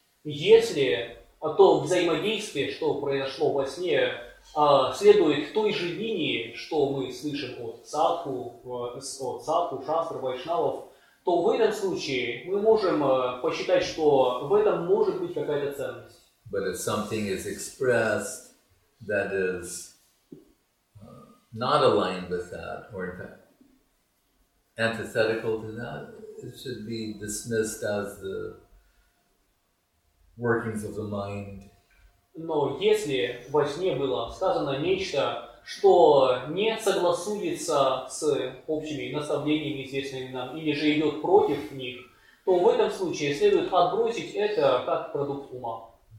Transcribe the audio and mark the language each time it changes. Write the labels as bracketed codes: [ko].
[ru] Если а то взаимодействие, что произошло во сне, следует той же линии, что мы слышим от садху, шастры, вайшнавов, то в этом случае мы можем посчитать, что в этом может быть какая-то ценность. [en] But if something is expressed that is not aligned with that, or in fact antithetical to that, it should be dismissed as the workings of the mind. [ru] Но если во сне было сказано нечто, что не согласуется с общими наставлениями, известными нам, или же идет против них, то в этом случае следует отбросить это как продукт ума.